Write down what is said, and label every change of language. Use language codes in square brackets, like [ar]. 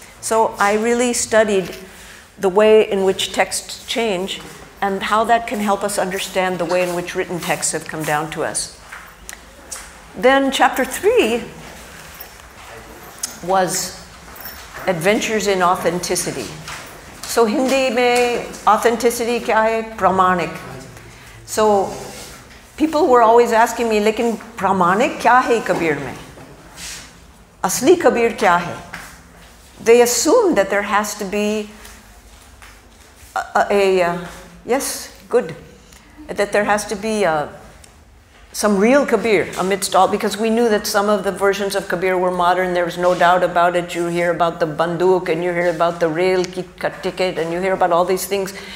[en] So I really studied the way in which texts change and how that can help us understand the way in which written texts have come down to us. Then chapter 3 was Adventures in Authenticity. [hi] So Hindi में authenticity क्या है? प्रामाणिक। [en] So people were always asking me, [hi] लेकिन प्रामाणिक क्या है कबीर में? असली कबीर क्या है? [en] They assume that there has to be some real Kabir amidst all, because we knew that some of the versions of Kabir were modern, there's no doubt about it. You hear about the banduk and you hear about the rail ticket and you hear about all these things.